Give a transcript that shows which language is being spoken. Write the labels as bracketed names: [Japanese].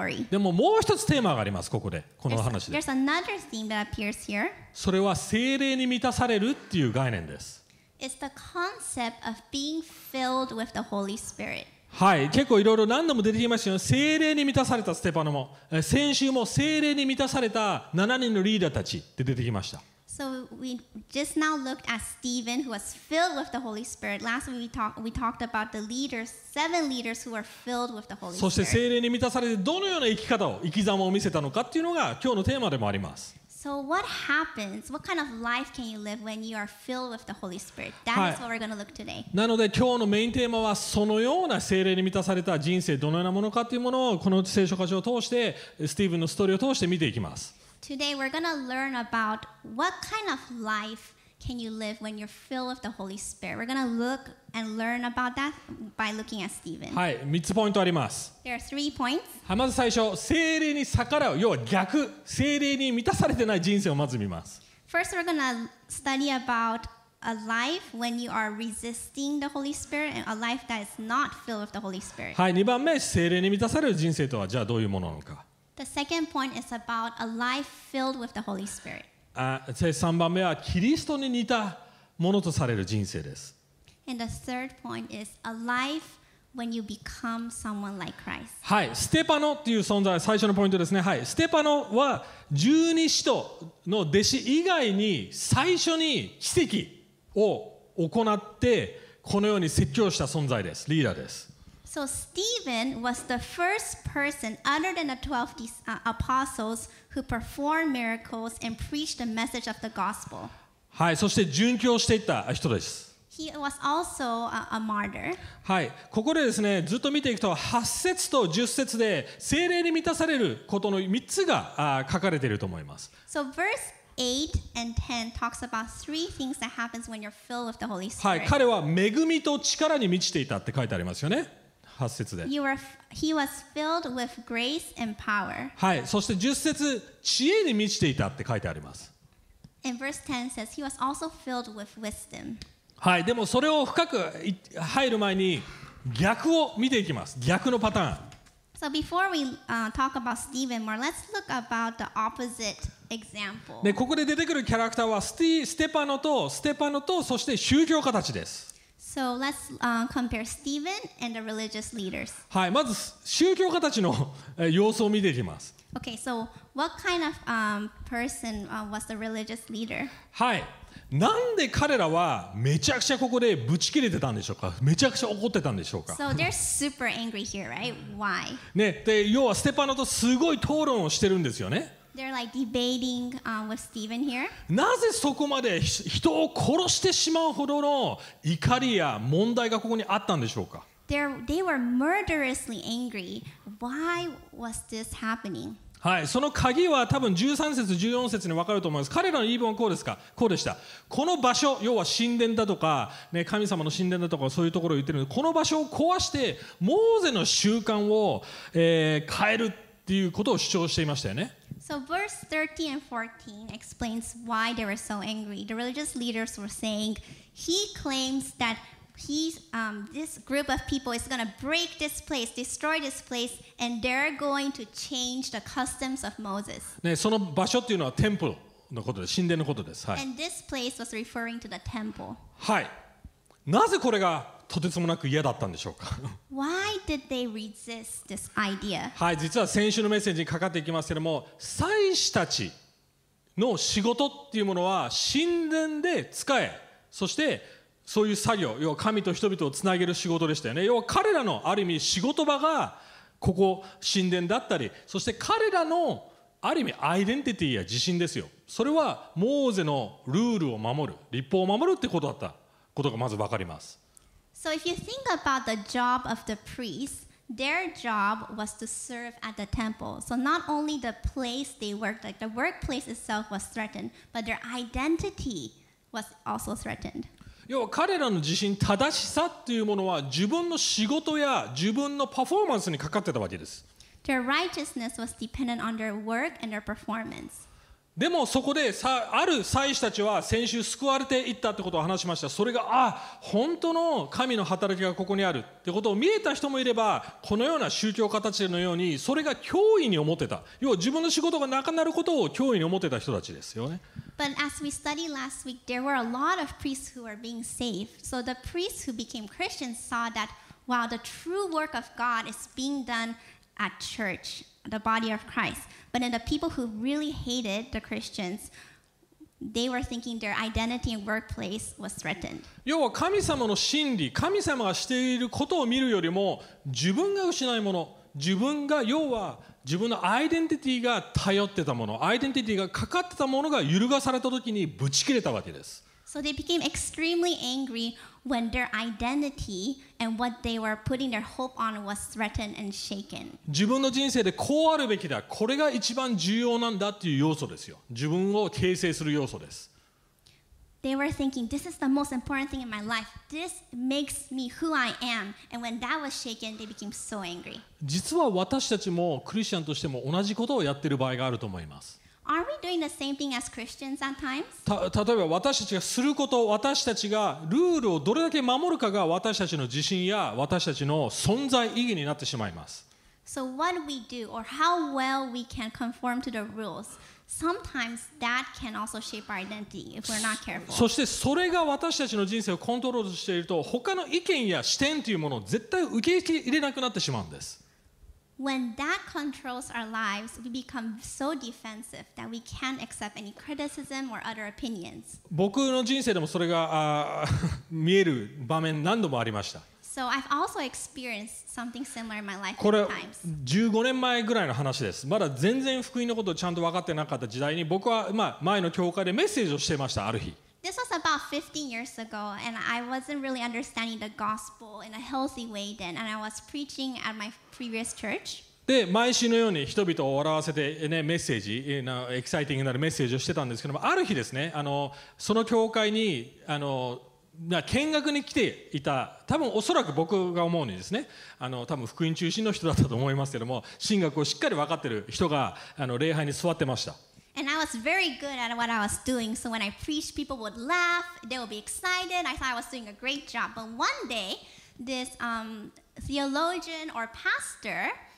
[Japanese] でももう一つテーマがあります、ここで、この話で。 [English] There's another theme that appears here. [Japanese] それは聖霊に満たされるっていう概念です。 [English] It's the concept of being filled with the Holy Spirit. [Japanese] はい、結構いろいろ何度も出てきましたよ。聖霊に満たされたステパノも、先週も聖霊に満たされた7人のリーダーたちって出てきました。 [English] So we just now looked at Stephen, who was filled with the Holy Spirit. Last week we talked about the leaders, seven leaders who were filled with the Holy Spirit. [Japanese] そして聖霊に満たされてどのような生き方を、生き様を見せたのかっていうのが今日のテーマでもあります。 [English] So what happens? What kind of life can you live when you are filled with the Holy Spirit? That is what we're going to look today. [Japanese] なので今日のメインテーマはそのような聖霊に満たされた人生どのようなものかっていうものをこの聖書箇所を通して、スティーブンのストーリーを通して見ていきます。 [English] Today we're going to learn about what kind of life can you live when you're filled with the Holy Spirit. We're going to look and learn about that by looking at Stephen. [Japanese] はい、3つポイントあります。 [English] There are three points. [Japanese] はい、まず最初、聖霊に逆らう、要は逆、聖霊に満たされてない人生をまず見ます。 [English] First we're going to study about a life when you are resisting the Holy Spirit and a life that is not filled with the Holy Spirit. [Japanese] はい、2番目、聖霊に満たされる人生とはじゃあどういうものなのか。 [English] The second point is about a life filled with the Holy Spirit. [Japanese] 3番目はキリストに似たものとされる人生です。 [English] And the third point is a life when you become someone like Christ. [Japanese] はい、ステパノという存在、最初のポイントですね。はい、ステパノは十二使徒の弟子以外に最初に奇跡を行ってこのように説教した存在です。リーダーです。 [English] So Stephen was the first person other than the 12 apostles who performed miracles and preached the message of the gospel. [Japanese] はい、そして殉教していった人です。 [English] He was also a martyr. [Japanese] はい、ここでですね、ずっと見ていくと8節と10節で聖霊に満たされることの3つが書かれていると思います。 [English] So verse 8 and 10 talks about three things that happens when you're filled with the Holy Spirit. [Japanese] はい、彼は恵みと力に満ちていたって書いてありますよね。 8節で。 [English] He was filled with grace and power. [Japanese] はい、そして10節、知恵に満ちていたって書いてあります。 [English] And verse 10 says he was also filled with wisdom. [Japanese] はい、でもそれを深く入る前に逆を見ていきます。逆のパターン。 [English] So before we talk about Stephen more, let's look about the opposite example. [Japanese] ね、ここで出てくるキャラクターはステパノとそして宗教家たちです。 [English] So let's compare Stephen and the religious leaders. [Japanese] はい、まず宗教家たちの様子を見ていきます。 [English] Okay, so what kind of person was the religious leader? [Japanese] はい、なんで彼らはめちゃくちゃここでブチ切れてたんでしょうか。めちゃくちゃ怒ってたんでしょうか。 [English] So they're super angry here, right? Why? [Japanese] ね、で要はステパノとすごい討論をしてるんですよね。 [English] They're like debating with Stephen here. [Japanese] なぜそこまで人を殺してしまうほどの怒りや問題がここにあったんでしょうか。 [English] They were murderously angry. Why was this happening? [Japanese] はい、その鍵は多分13節14節に分かると思います。彼らの言い分はこうですか。こうでした。この場所、要は神殿だとか、ね、神様の神殿だとかそういうところを言ってるので、この場所を壊してモーゼの習慣を、変えるっていうことを主張していましたよね。 [English] So verse 13 and 14 explains why they were so angry. The religious leaders were saying, he claims that this group of people is going to break this place, destroy this place, and they're going to change the customs of Moses. [Japanese] ね、その場所っていうのはテンプルのことです。神殿のことです。はい。 [English] And this place was referring to the temple. [Japanese] はい。なぜこれがとてつもなく嫌だったんでしょうか。 [English] Why did they resist this idea? [Japanese] はい、実は先週のメッセージにかかっていきますけれども、祭司たちの仕事っていうものは神殿で使え、そしてそういう作業、要は神と人々をつなげる仕事でしたよね。要は彼らのある意味仕事場がここ神殿だったり、そして彼らのある意味アイデンティティや自信ですよ。それはモーゼのルールを守る、律法を守るってことだったことがまず分かります。 [English] So if you think about the job of the priests, their job was to serve at the temple. So not only the place they worked, like the workplace itself was threatened, but their identity was also threatened. [Japanese] 要は彼らの自信、正しさっていうものは自分の仕事や自分のパフォーマンスにかかってたわけです。 [English] Their righteousness was dependent on their work and their performance. [Japanese] でもそこでさ、ある祭司たちは先週救われていったってことを話しました。それが、あ、本当の神の働きがここにあるってことを見えた人もいれば、このような宗教家たちのようにそれが脅威に思ってた。要は自分の仕事がなくなることを脅威に思ってた人たちですよね。 [English] But as we studied last week, there were a lot of priests who were being saved. So the priests who became Christians saw that while the true work of God is being done at church, the body of Christ, but then the people who really hated the Christians, they were thinking their identity and workplace was threatened. [Japanese] 要は神様の真理、神様がしていることを見るよりも、自分が失いもの、自分が要は自分のアイデンティティが頼ってたもの、アイデンティティがかかってたものが揺るがされた時にブチ切れたわけです。 [English] So they became extremely angry when their identity and what they were putting their hope on was threatened and shaken. [Japanese] 自分の人生でこうあるべきだ、これが一番重要なんだっていう要素ですよ。自分を形成する要素です。 [English] They were thinking, this is the most important thing in my life. This makes me who I am. And when that was shaken, they became so angry. [Japanese] 実は私たちもクリスチャンとしても同じことをやっている場合があると思います。 [English] Are we doing the same thing as Christians at times? [Japanese] 例えば私たちがすること、私たちがルールをどれだけ守るかが私たちの自信や私たちの存在意義になってしまいます。 [English] So what we do or how well we can conform to the rules, sometimes that can also shape our identity if we're not careful. [Japanese] そしてそれが私たちの人生をコントロールしていると他の意見や視点というものを絶対受け入れなくなってしまうんです。 [English] When that controls our lives, we become so defensive that we can't accept any criticism or other opinions. [Japanese] 僕の人生でもそれが見える場面何度もありました。 [English] So I've also experienced something similar in my life. [Japanese] これ15年前ぐらいの話です。まだ全然福音のことをちゃんと分かってなかった時代に、僕は前の教会でメッセージをしていました、ある日。 [English] This was about 15 years ago, and I wasn't really understanding the gospel in a healthy way then, and I was preaching at my previous church. [Japanese] で、毎週のように人々を笑わせてね、メッセージ、エキサイティングなるメッセージをしてたんですけども、ある日ですね、その教会に、見学に来ていた、多分おそらく僕が思うにですね、多分福音中心の人だったと思いますけども、神学をしっかり分かってる人が、礼拝に座ってました。 [English] And I was very good at what I was doing. So when I preached, people would laugh. They would be excited. I thought I was doing a great job. But one day, this theologian or pastor